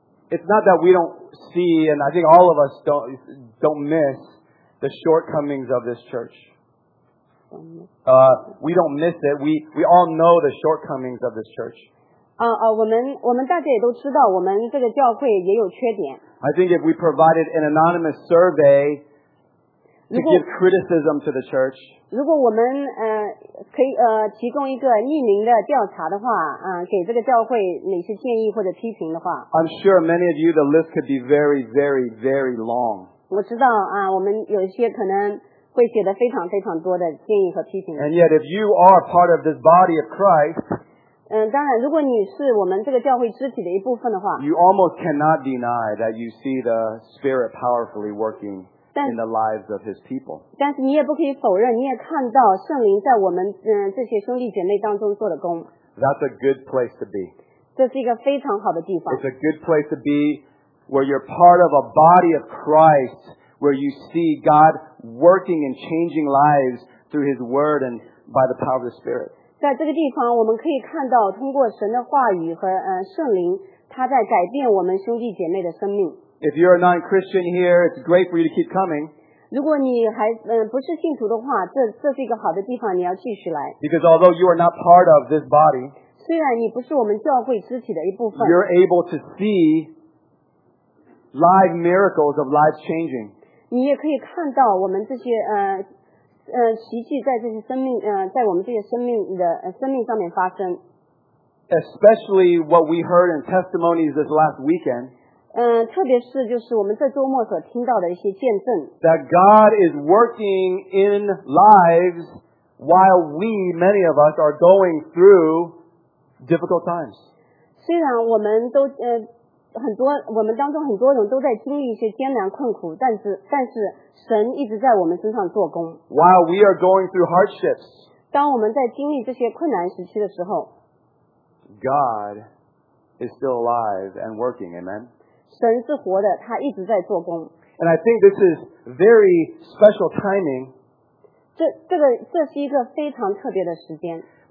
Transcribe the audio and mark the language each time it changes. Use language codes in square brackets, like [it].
[en] It's not that we don't see, and I think all of us don't miss the shortcomings of this church. We don't miss it. We all know the shortcomings of this church. [zh] 我们大家也都知道，我们这个教会也有缺点。 [en] I think if we provided an anonymous survey to give criticism to the church, [zh] 如果我们可以提供一个匿名的调查的话，给这个教会哪些建议或者批评的话 [en] ，I'm sure many of you the list could be very, very, very long. [zh] 我知道啊，我们有些可能会写的非常非常多的建议和批评。 [en] And yet, if you are part of this body of Christ, [zh] 当然，如果你是我们这个教会肢体的一部分的话 [en] ，you almost cannot deny that you see the Spirit powerfully working in the lives of his people. [zh] 但是你也不可以否认，你也看到圣灵在我们这些兄弟姐妹当中做的工。 [en] That's a good place to be. [zh] 这是一个非常好的地方。 [en] It's a good place to be where you're part of a body of Christ, where you see God working and changing lives through his word and by the power of the Spirit. [zh] 在这个地方，我们可以看到通过神的话语和圣灵，他在改变我们兄弟姐妹的生命。 [en] If you're a non-Christian here, it's great for you to keep coming. [zh] 如果你还不是信徒的话，这是一个好的地方，你要继续来。 [en] Because although you are not part of this body, [zh] 虽然你不是我们教会肢体的一部分， [en] you're able to see live miracles of lives changing. [zh] 你也可以看到我们这些奇迹在这些生命在我们这些生命的生命上面发生。 [en] Especially what we heard in testimonies this last weekend. [zh] 特别是就是我们这周末所听到的一些见证 [en] that God is working in lives while we, many of us, are going through difficult times. [zh] 虽然我们都很多我们当中很多人都在经历一些艰难困苦，但是神一直在我们身上做工 [en] while we are going through hardships. [zh] 当我们在经历这些困难时期的时候 [en] God is still alive and working, amen. [zh] 神是活的，他一直在做工。 [en] And I think this is very special timing. [zh] 这是一个非常特别的时间。